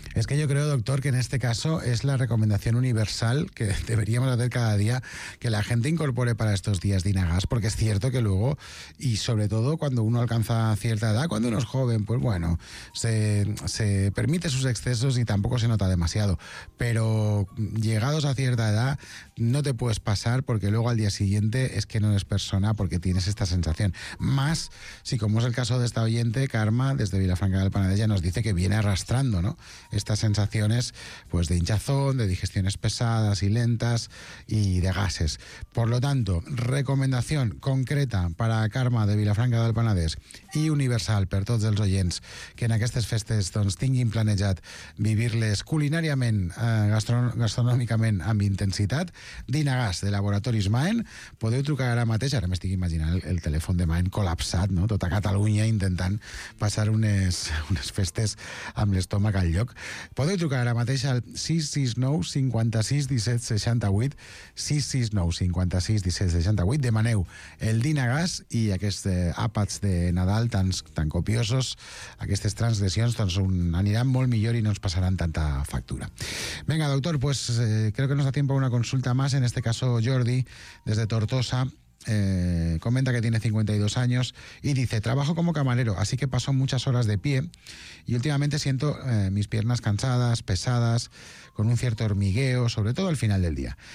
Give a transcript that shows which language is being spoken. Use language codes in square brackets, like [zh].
[es] Es que yo creo, doctor, que en este caso es la recomendación universal que deberíamos hacer cada día, que la gente incorpore para estos días dinagás, porque es cierto que luego, y sobre todo cuando uno alcanza cierta edad, cuando uno es joven, pues bueno, se permite sus excesos y tampoco se nota demasiado, pero llegados a cierta edad no te puedes pasar, porque luego al día siguiente es que no eres persona porque tienes esta sensación. Más si, como es el caso de esta oyente, Karma, desde Vilafranca del Penedès, ya nos dice que viene arrastrando, ¿no?, estas sensaciones pues de hinchazón, de digestiones pesadas y lentas y de gases. Por lo tanto, recomendación concreta para Karma de Vilafranca del Penedès [ca] i universal per tots els oients que en aquestes festes doncs tinguin planejat vivir-les culinàriament, gastronòmicament amb intensitat, dinagàs de Laboratoris Maen. Podeu trucar ara mateix, ara m'estic imaginant el telèfon de Maen col·lapsat, no?, tota Catalunya intentant passar unes festes amb l'estómac al lloc. Podeu trucar ara mateix al 669-56-17-68, 669-56-17-68, demaneu el dinagàs i aquest àpat de Nadal tan copiosos, aquestes transgressions doncs aniran molt millor i no ens passaran tanta factura. [es] Venga, doctor, pues creo que nos da tiempo a una consulta más. En este caso, Jordi, desde Tortosa, comenta que tiene 52 años y dice, trabajo como camarero, así que paso muchas horas de pie y últimamente siento mis piernas cansadas, pesadas, con un cierto hormigueo, sobre todo al final del día.